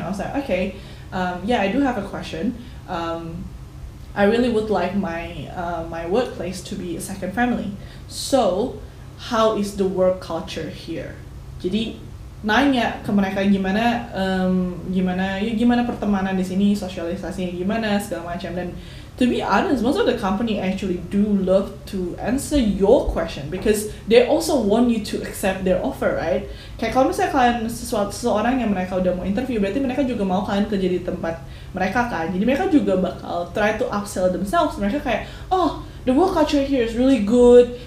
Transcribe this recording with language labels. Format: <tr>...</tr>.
<en>I was like, okay, yeah, I do have a question. I really would like my workplace to be a second family. So, how is the work culture here? Jadi</en> <id>nanya ke mereka gimana gimana pertemanan di sini, sosialisasinya gimana, segala macam.</id> <en>Dan to be honest, most of the company actually do love to answer your question because they also want you to accept their offer, right?</en> <id>Kayak kalau misalnya kalian seseorang yang mereka udah mau interview, berarti mereka juga mau kalian kerja di tempat mereka kan. Jadi mereka juga bakal</id> <en>try to upsell themselves.</en> <id>Mereka kayak,</id> <en>oh, the work culture here is really good.</en>